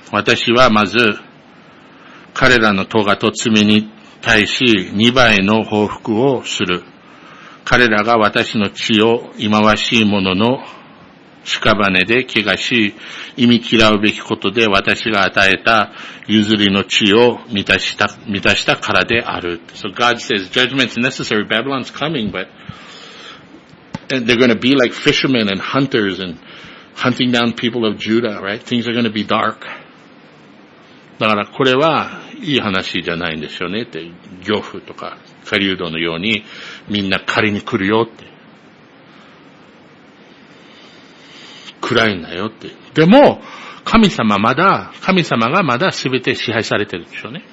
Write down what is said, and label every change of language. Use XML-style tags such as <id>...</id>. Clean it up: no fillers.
<ja>私はまず彼らの咎と罪に対し2倍の報復をする。彼らが私の血を忌まわしいものの屍で汚し、忌み嫌うべきことで私が与えた譲りの地を満たしたからである。</ja> <en>So God says, judgment's necessary, Babylon's coming, but they're going to be like fishermen and hunters and hunting down people of Judah, right? Things are going to be dark.</en> <ja>だからこれはいい話じゃないんですよねって、漁夫とか狩人のようにみんな狩りに来るよって。暗いんだよって。でも、神様がまだ全て支配されてるんでしょうね。</ja>